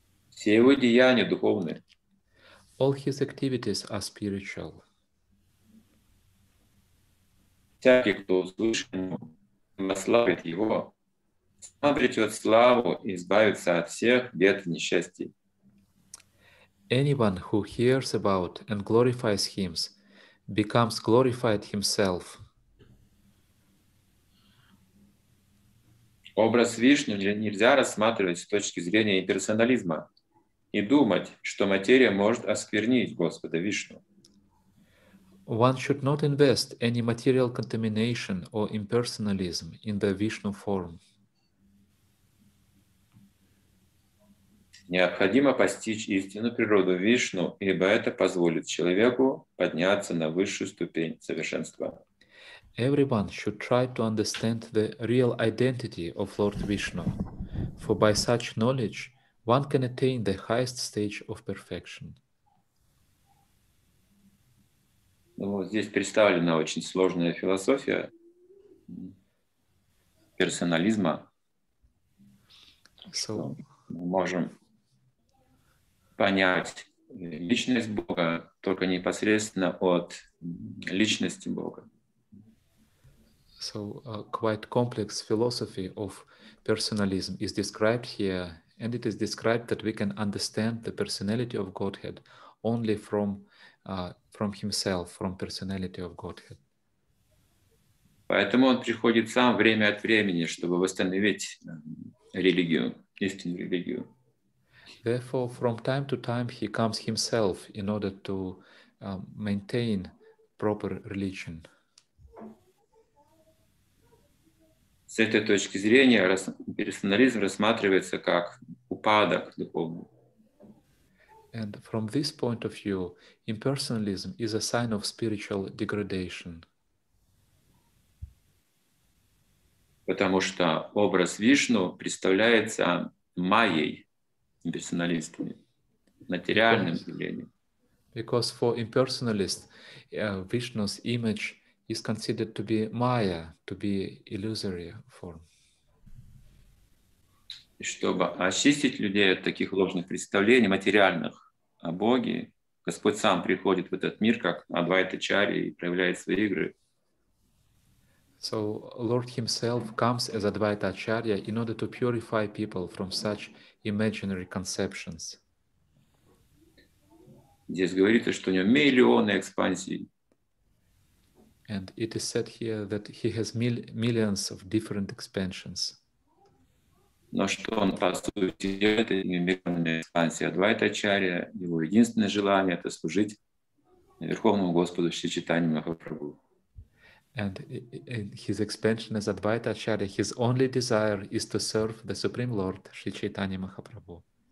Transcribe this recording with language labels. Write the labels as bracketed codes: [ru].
[ru] Все его деяния духовные. [en] All his activities are spiritual. [ru] Всякий, кто услышит ему, прославит его, сам обретет славу и избавится от всех бед и несчастий. [en] Anyone who hears about and glorifies him becomes glorified himself. [ru] Образ Вишни нельзя рассматривать с точки зрения имперсонализма и думать, что материя может осквернить Господа Вишну. [en] One should not invest any material contamination or impersonalism in the Vishnu form. [ru] Необходимо постичь истинную природу Вишну, ибо это позволит человеку подняться на высшую ступень совершенства. [en] Everyone should try to understand the real identity of Lord Vishnu, for by such knowledge one can attain the highest stage of perfection. [ru] Ну, вот здесь представлена очень сложная философия персонализма. [en] So, [ru] мы можем понять личность Бога только непосредственно от личности Бога. [en] So, quite complex philosophy of personalism is described here, and it is described that we can understand the personality of Godhead only from from himself, from personality of Godhead. [ru] Поэтому он приходит сам время от времени, чтобы восстановить религию, истинную религию. [en] Therefore, from time to time, he comes himself in order to maintain proper religion. [ru] С этой точки зрения персонализм рассматривается как упадок духовный. [en] And from this point of view, impersonalism is a sign of spiritual degradation. [ru] Потому что образ Вишну представляется майей, имперсоналистами, материальным явлением. [en] Because for impersonalists, Vishnu's image is considered to be maya, to be illusory form. [ru] Чтобы очистить людей от таких ложных представлений, материальных, о Боге, Господь сам приходит в этот мир как Адвайта Чарья и проявляет свои игры. [en] So Lord himself comes as Advaita Acharya in order to purify people from such imaginary conceptions. [ru] Здесь говорится, что у него миллионы экспансий. [en] And it is said here that he has millions of different expansions. [ru] Но что он по сути делает этими миллионами экспансий? Адвайта Ачарья, его единственное желание — это служить Верховному Господу Шри Чайтанья Махапрабху. [en] And in his expansion as Advaita Acharya, his only desire is to serve the Supreme Lord Шри Чайтанья Махапрабху.